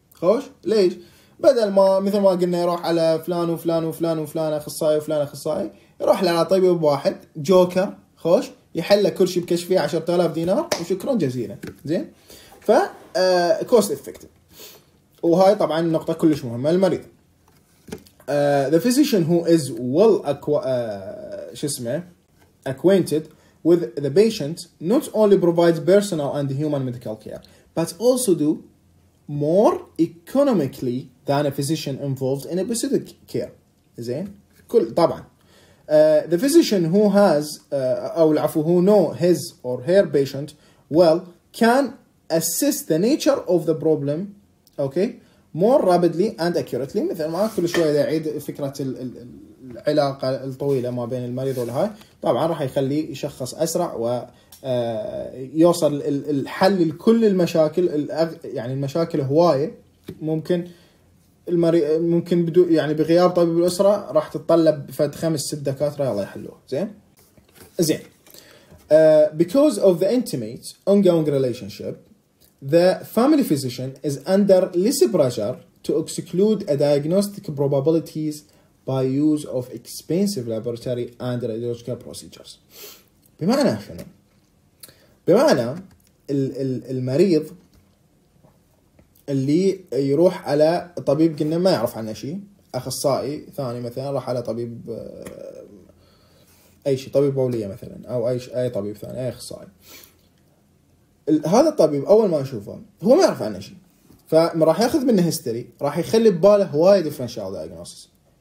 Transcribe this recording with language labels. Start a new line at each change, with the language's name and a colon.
Arabic: خوش ليش؟ بدل ما مثل ما قلنا يروح على فلان وفلان وفلان وفلان أخصائي وفلان أخصائي، يروح على طبيب واحد جوكر خوش يحل كل شيء بكشفية 10,000 دينار وشكراً جزيلاً. زين ف كوست إفكتيف، وهاي طبعاً نقطة كلش مهمة للمريض.
English: The physician who is well acquainted with the patient not only provides personal and human medical care but also do more economically than a physician involved in episodic care.
Arabic: زين كل طبعا
English: the physician who has
Arabic: او العفو
English: who know his or her patient well can assess the nature of the problem okay more rapidly and accurately.
Arabic: مثل ما كل شوية يعيد فكرة العلاقة الطويلة ما بين المريض والهاي، طبعا راح يخليه يشخص أسرع ويوصل الحل لكل المشاكل. يعني المشاكل هواية ممكن المريض ممكن بدو يعني بغياب طبيب الأسرة راح تتطلب فد 5-6 دكاترة الله يحلوها. زين زين
English: because of the intimate ongoing relationship the family physician is under less pressure to exclude a diagnostic probabilities by use of expensive laboratory and radiological procedures.
Arabic: بمعنى شنو؟ بمعنى المريض اللي يروح على طبيب قلنا ما يعرف عنه شيء، أخصائي ثاني مثلا راح على طبيب أي شيء، طبيب بولية مثلا أو أي طبيب ثاني أي أخصائي، هذا الطبيب أول ما يشوفه هو ما يعرف عنه شيء، فراح يأخذ منه هيستوري، راح يخلي بباله هواي
English: differential diagnosis.